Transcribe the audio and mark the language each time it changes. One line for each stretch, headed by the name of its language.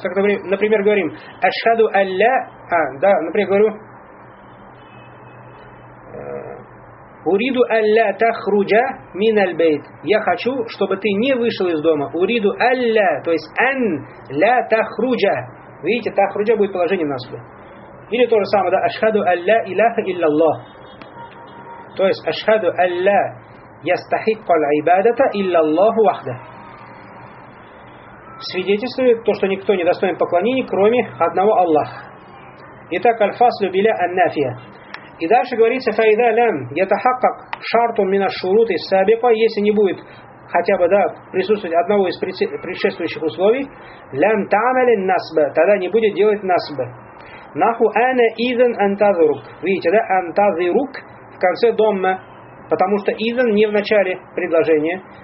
Russian: Как, например, говорим
Arabic: «Ашхаду алля»,
Russian: а, да, например, говорю
Arabic: «Уриду алля тахруджа мин альбейт».
Russian: Я хочу, чтобы ты не вышел из дома.
Arabic: «Уриду алля»,
Russian: то есть
Arabic: «эн ля тахруджа».
Russian: Видите, «тахруджа» будет положение нас. Или то же самое, да,
Arabic: «Ашхаду алля илляха илляллах».
Russian: То есть
Arabic: «Ашхаду алля». يستحق العبادة إلا الله وحده.
Russian: Свидетельствует то, что никто не достоин поклонения, кроме одного Аллаха. Итак,
Arabic: الفصل بلا النافية.
Russian: И дальше говорится,
Arabic: فإذا لم يتحقق شرط من الشروط السابقة,
Russian: если не будет хотя бы, да, присутствовать одного из предшествующих условий,
Arabic: لم تعمل النصب,
Russian: тогда не будет делать насб.
Arabic: نحو أنا إذن أنتظرك.
Russian: Видите, да,
Arabic: أنتظرك
Russian: в конце домма. Потому что «идан» не в начале предложения.